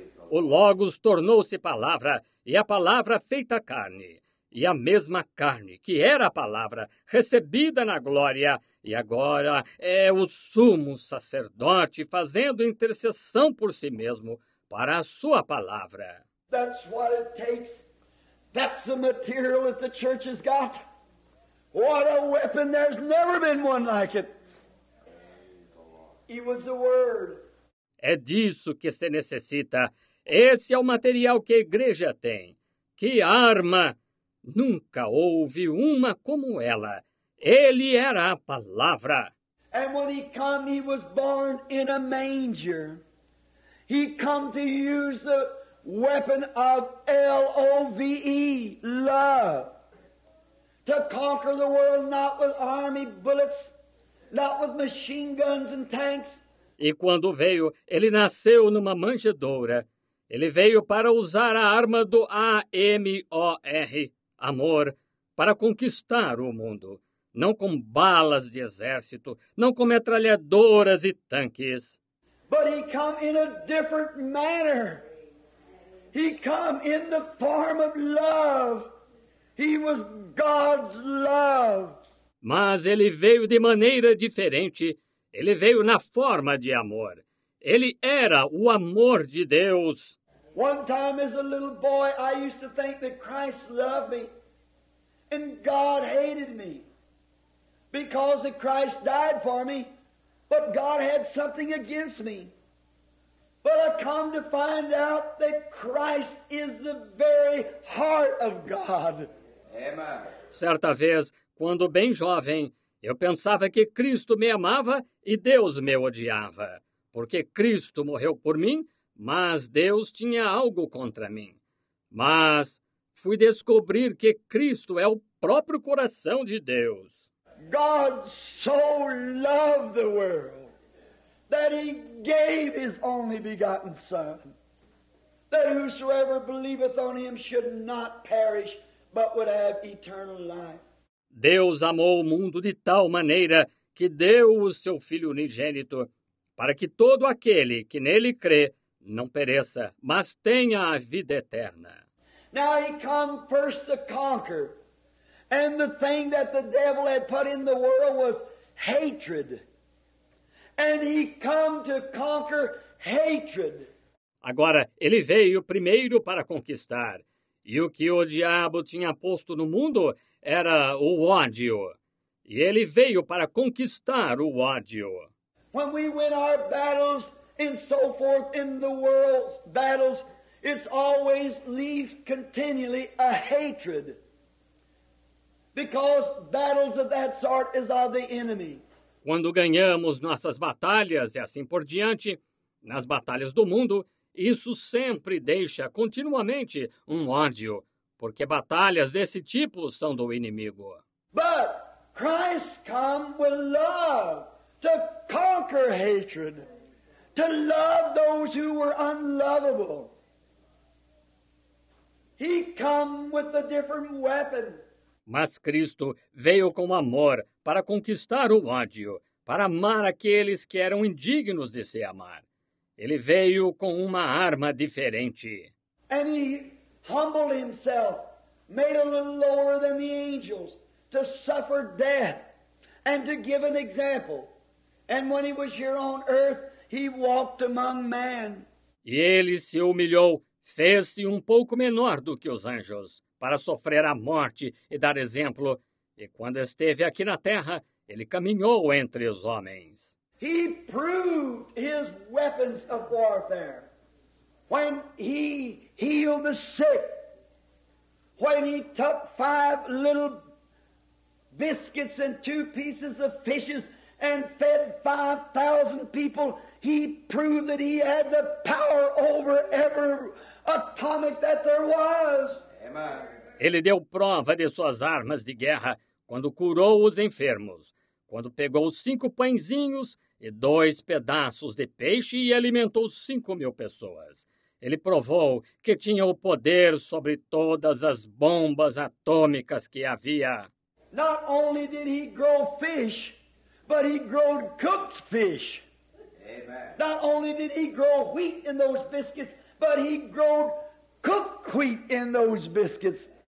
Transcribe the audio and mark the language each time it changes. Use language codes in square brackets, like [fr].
[pt] O Logos tornou-se palavra, e a palavra feita carne. E a mesma carne, que era a palavra, recebida na glória, e agora é o sumo sacerdote fazendo intercessão por si mesmo, para a sua palavra. [en] That's what it takes. That's the material that the church has got. What a weapon! There's never been one like it. It was the word. [pt] É disso que se necessita. Esse é o material que a igreja tem. Que arma! Nunca houve uma como ela. Ele era a palavra. [en] And when he came, he was born in a manger. He came to use the weapon of L-O-V-E, love. To conquer the world not with army bullets, not with machine guns and tanks. [pt] E quando veio, ele nasceu numa manjedoura. Ele veio para usar a arma do A-M-O-R. Amor, para conquistar o mundo, não com balas de exército, não com metralhadoras e tanques. [en] But he come in a different manner. He come in the form of love. He was God's love. [pt] Mas ele veio de maneira diferente. Ele veio na forma de amor. Ele era o amor de Deus. [en] One time as a little boy, I used to think that Christ loved me and God hated me because that Christ died for me, but God had something against me. But I come to find out that Christ is the very heart of God. Amen. [pt] Certa vez, quando bem jovem, eu pensava que Cristo me amava e Deus me odiava, porque Cristo morreu por mim. Mas Deus tinha algo contra mim. Mas fui descobrir que Cristo é o próprio coração de Deus. [en] God so loved the world that he gave his only begotten son, that whosoever believeth on him should not perish, but would have eternal life. [pt] Deus amou o mundo de tal maneira que deu o seu filho unigênito para que todo aquele que nele crê não pereça, mas tenha a vida eterna. [en] Now he come first to conquer. And the thing that the devil had put in the world was hatred. And he come to conquer hatred. [pt] Agora, ele veio primeiro para conquistar. E o que o diabo tinha posto no mundo era o ódio. E ele veio para conquistar o ódio. [en] When we win our battles, and so forth in the world's battles, it's always leaves continually a hatred. Because battles of that sort is of the enemy. [pt] Quando ganhamos nossas batalhas e assim por diante, nas batalhas do mundo, isso sempre deixa continuamente um ódio, porque batalhas desse tipo são do inimigo. [en] But Christ come with love to conquer hatred. To love those who were unlovable. He come with a different weapon. [pt] Mas Cristo veio com amor para conquistar o ódio, para amar aqueles que eram indignos de se amar. Ele veio com uma arma diferente. [en] And he humbled himself, made a little lower than the angels, to suffer death and to give an example. And when he was here on earth, he walked among men. [pt] E ele se humilhou, fez-se um pouco menor do que os anjos, para sofrer a morte e dar exemplo. E quando esteve aqui na terra, ele caminhou entre os homens. [en] He proved his weapons of warfare. When he healed the sick, when he took five little biscuits and two pieces of fishes and fed 5,000 people, he proved that he had the power over every atomic that there was. Amen. [pt] Ele deu prova de suas armas de guerra quando curou os enfermos, quando pegou 5 pãezinhos e 2 pedaços de peixe e alimentou 5.000 pessoas. Ele provou que tinha o poder sobre todas as bombas atômicas que havia. [en] Not only did he grow fish, but he grew cooked fish. Amen. Not only did he grow wheat in those biscuits, but he grew cooked wheat in those biscuits.